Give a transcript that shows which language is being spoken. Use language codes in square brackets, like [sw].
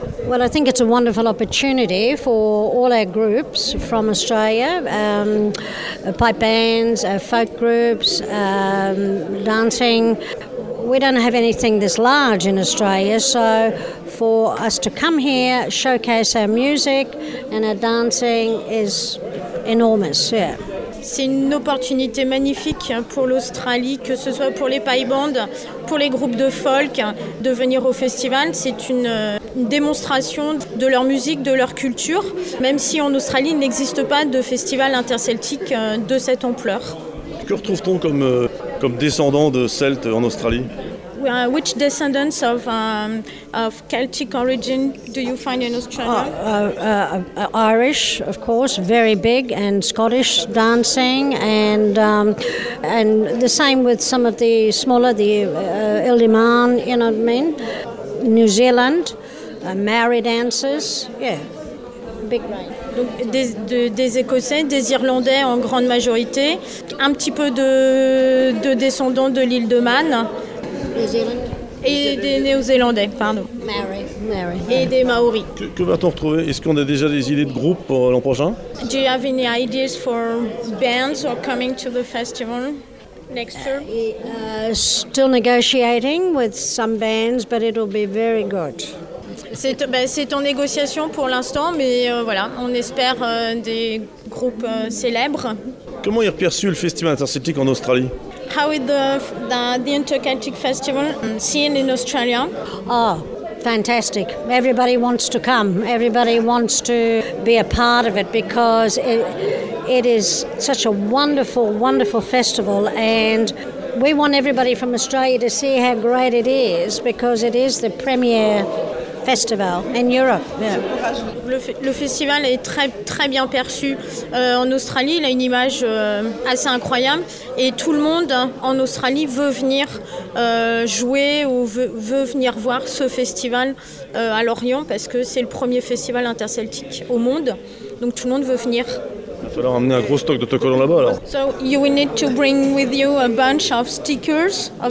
[en] Well, I think it's a wonderful opportunity for all our groups from Australia, pipe bands, folk groups, dancing. We don't have anything this large in Australia, so for us to come here, showcase our music and our dancing is enormous, yeah. [fr] C'est une opportunité magnifique pour l'Australie, que ce soit pour les pipe bands, pour les groupes de folk, de venir au festival. C'est une démonstration de leur musique, de leur culture, même si en Australie, il n'existe pas de festival interceltique de cette ampleur. Que retrouve-t-on comme descendants de Celtes en Australie? [en] Which descendants of Celtic origin do you find in Australia? Irish, of course, very big, and Scottish dancing, and the same with some of the smaller, the Ildiman, you know what I mean? New Zealand, Maori dancers, yeah, big. [fr] Donc des Écossais, des Irlandais en grande majorité, un petit peu de descendants de l'île de Man. [en] New Zealand. [fr] Et des Néo-Zélandais, pardon. Mary. Et des Maoris. Que va-t-on retrouver? Est-ce qu'on a déjà des idées de groupe pour l'an prochain? [en] Do you have any ideas for bands or coming to the festival next year? Still negotiating with some bands, but it'll be very good. [fr] C'est en négociation pour l'instant, mais voilà, on espère des groupes célèbres. Comment est perçu le festival interceltique en Australie? [en] How is the Interceltic Festival seen in Australia? Oh, fantastic. Everybody wants to come. Everybody wants to be a part of it because it is such a wonderful, wonderful festival. And we want everybody from Australia to see how great it is because it is the premier festival in Europe. Yeah. [fr] Le festival est très très bien perçu en Australie. Il a une image assez incroyable et tout le monde en Australie veut venir jouer ou veut venir voir ce festival à Lorient parce que c'est le premier festival interceltique au monde. Donc tout le monde veut venir. Il va falloir amener un gros stock d'autocollants là-bas alors. [en] So you will need to bring with you a bunch of stickers of